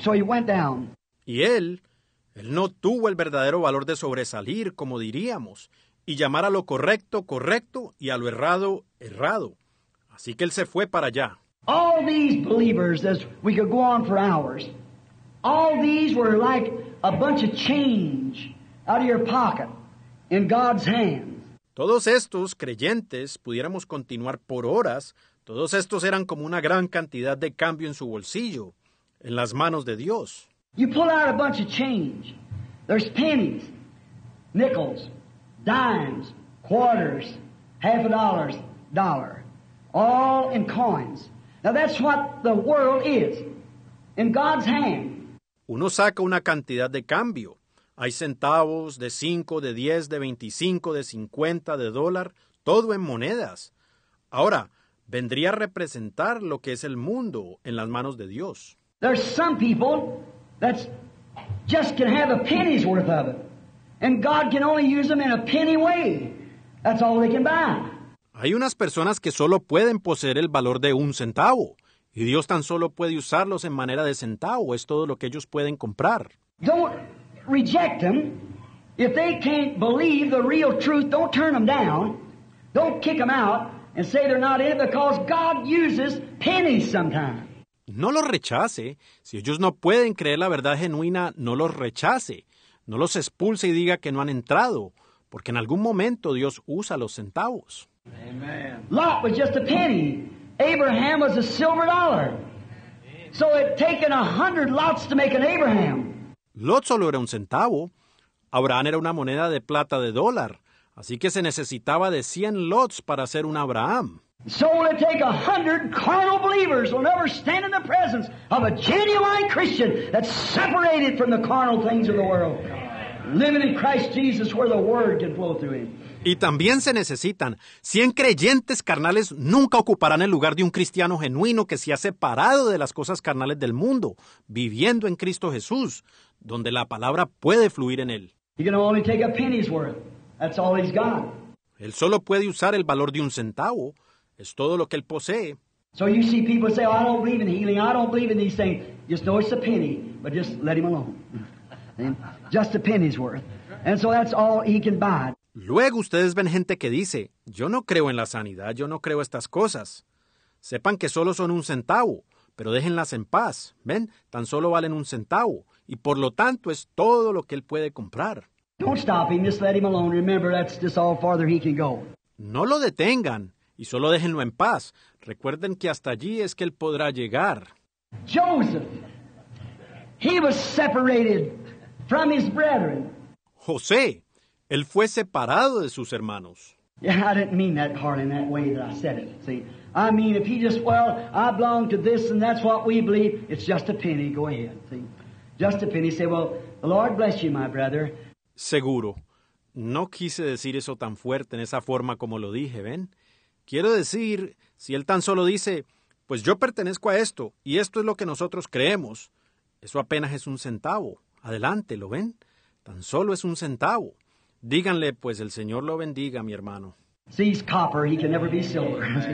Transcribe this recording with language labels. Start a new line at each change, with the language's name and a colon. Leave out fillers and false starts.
English: So he went down.
Spanish: Y él no tuvo el verdadero valor de sobresalir, como diríamos, y llamar a lo correcto, correcto, y a lo errado, errado. Así que él se fue para allá.
English: All these believers, as we could go on for hours, all these were like a bunch of change out of your pocket in God's hands.
Spanish: Todos estos creyentes, pudiéramos continuar por horas, todos estos eran como una gran cantidad de cambio en su bolsillo, en las manos de Dios.
English: You pull out a bunch of change. There's pennies, nickels, dimes, quarters, half a dollars, dollar, all in coins. Now that's what the world is, in God's hands.
Spanish: Uno saca una cantidad de cambio, Hay centavos de 5, de 10, de 25, de 50, de dólar, todo en monedas. Ahora, vendría a representar lo que es el mundo en las manos de Dios.
English: There's some people that just can have a penny's worth of it, and God can only use them in a penny way. That's all they can buy.
Spanish: Hay unas personas que solo pueden poseer el valor de un centavo, y Dios tan solo puede usarlos en manera de centavo. Es todo lo que ellos pueden comprar.
English: Don't reject them. If they can't believe the real truth, don't turn them down. Don't kick them out and say they're not in it, because God uses pennies sometimes.
Spanish: No los rechace. Si ellos no pueden creer la verdad genuina, no los rechace. No los expulse y diga que no han entrado, porque en algún momento Dios usa los centavos.
English: Amen. Lot was just a penny. Abraham was a silver dollar. So it taken 100 lots to make an Abraham.
Spanish: Lot solo era un centavo. Abraham era una moneda de plata de dólar. Así que se necesitaba de 100 lots para hacer un Abraham.
English: So will it take 100 carnal believers who will never stand in the presence of a genuine Christian that's separated from the carnal things of the world, living in Christ Jesus where the word can flow through him.
Spanish: Y también se necesitan 100 creyentes carnales. Nunca ocuparán el lugar de un cristiano genuino que se ha separado de las cosas carnales del mundo, viviendo en Cristo Jesús, donde la palabra puede fluir en él.
English: He can only take a penny's worth. That's all he's got.
Spanish: Él solo puede usar el valor de un centavo. Es todo lo que él posee.
English: So you see people say, oh, I don't believe in healing. I don't believe in these things. Just know it's a penny, but just let him alone. Just a penny's worth. And so that's all he can buy.
Spanish: Luego ustedes ven gente que dice, yo no creo en la sanidad, yo no creo estas cosas. Sepan que solo son un centavo, pero déjenlas en paz. ¿Ven? Tan solo valen un centavo. Y por lo tanto es todo lo que él puede comprar.
English: Don't stop him, just let him alone. Remember, that's just all farther he can go.
Spanish: No lo detengan y solo déjenlo en paz. Recuerden que hasta allí es que él podrá llegar.
English: Joseph, he was separated from his brethren.
Spanish: José, él fue separado de sus hermanos.
English: Yeah, I didn't mean that hardly in that way that I said it. See, I mean, if he just, well, I belong to this and that's what we believe, it's just a penny, go ahead. See, just a penny. Say, well, the Lord bless you, my brother.
Spanish: Seguro. No quise decir eso tan fuerte en esa forma como lo dije, ¿ven? Quiero decir, si él tan solo dice, pues yo pertenezco a esto y esto es lo que nosotros creemos, eso apenas es un centavo. Adelante, ¿lo ven? Tan solo es un centavo. Díganle, pues el Señor lo bendiga, mi hermano.
English: See, he's copper, he can never be silver.